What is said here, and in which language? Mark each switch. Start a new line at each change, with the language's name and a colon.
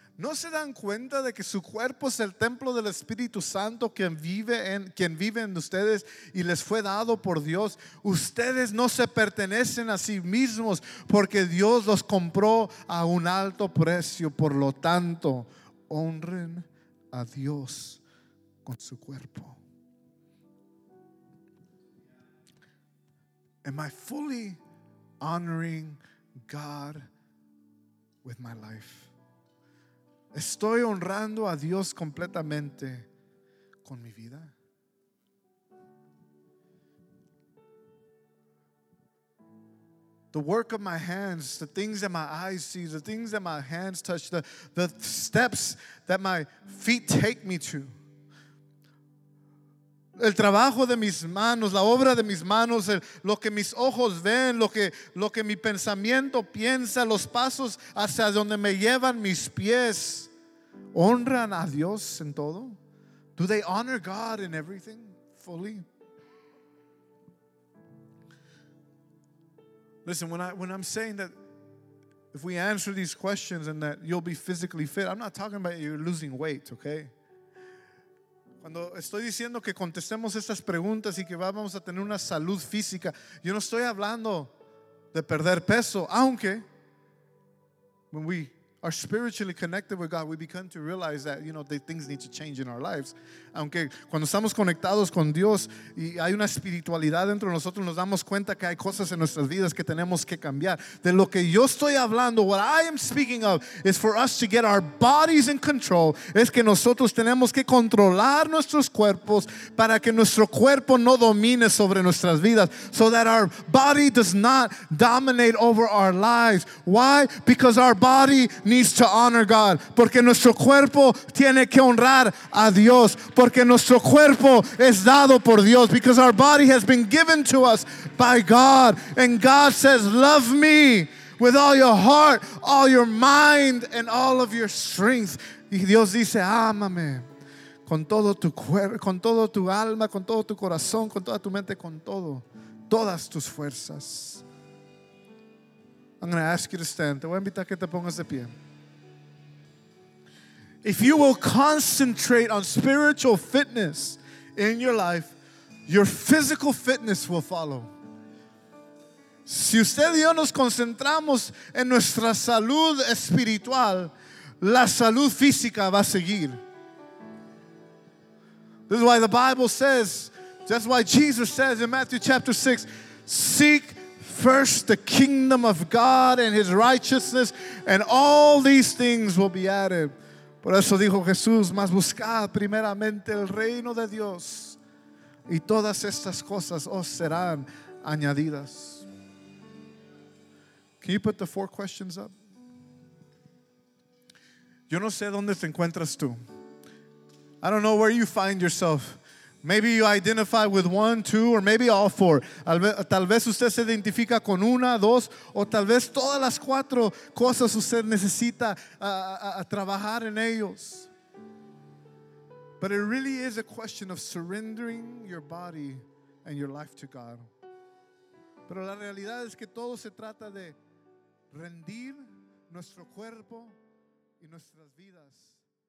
Spanish: ¿No se dan cuenta de que su cuerpo es el templo del Espíritu Santo quien vive en ustedes y les fue dado por Dios? Ustedes no se pertenecen a sí mismos porque Dios los compró a un alto precio. Por lo tanto, honren a Dios con su cuerpo.
English: Am I fully honoring God with my life?
Spanish: ¿Estoy honrando a Dios completamente con mi vida?
English: The work of my hands, the things that my eyes see, the things that my hands touch, the steps that my feet take me to.
Spanish: El trabajo de mis manos, la obra de mis manos, lo que mis ojos ven, lo que mi pensamiento piensa, los pasos hacia donde me llevan mis pies. honran a Dios en todo?
English: Do they honor God in everything fully? Listen, when I'm saying that if we answer these questions and that you'll be physically fit, I'm not talking about you losing weight, okay?
Spanish: Cuando estoy diciendo que contestemos estas preguntas y que vamos a tener una salud física, yo no estoy hablando de perder peso, aunque
English: when we are spiritually connected with God, we begin to realize that, you know, the things need to change in our lives.
Spanish: Aunque cuando estamos conectados con Dios y hay una espiritualidad dentro de nosotros, nos damos cuenta que hay cosas en nuestras vidas que tenemos que cambiar. De lo que yo estoy hablando,
English: what I am speaking of, is for us to get our bodies in control.
Spanish: Es que nosotros tenemos que controlar nuestros cuerpos para que nuestro cuerpo no domine sobre nuestras vidas.
English: So that our body does not dominate over our lives. Why? Because our body needs to honor God.
Spanish: Porque nuestro cuerpo tiene que honrar a Dios. Porque nuestro cuerpo es dado por Dios.
English: Because our body has been given to us by God. And God says, love me with all your heart, all your mind, and all of your strength.
Spanish: Y Dios dice, ámame con todo tu cuerpo, con todo tu alma, con todo tu corazón, con toda tu mente, con todo, todas tus fuerzas.
English: I'm going to ask you to stand.
Spanish: Te voy a invitar a que te pongas de pie.
English: If you will concentrate on spiritual fitness in your life, your physical fitness will follow.
Spanish: Si usted y yo nos concentramos en nuestra salud espiritual, la salud física va a seguir.
English: This is why the Bible says, that's why Jesus says in Matthew chapter 6, seek first the kingdom of God and his righteousness, and all these things will be added.
Spanish: Por eso dijo Jesús, mas buscad primeramente el reino de Dios y todas estas cosas os serán añadidas.
English: Can you put the four questions up?
Spanish: Yo no sé dónde te encuentras tú.
English: I don't know where you find yourself. Maybe you identify with one, two, or maybe all four.
Spanish: Tal vez usted se identifica con una, dos, o tal vez todas las cuatro cosas usted necesita trabajar en ellos.
English: But it really is a question of surrendering your body and your life to God.
Spanish: Pero la realidad es que todo se trata de rendir nuestro cuerpo y nuestras vidas.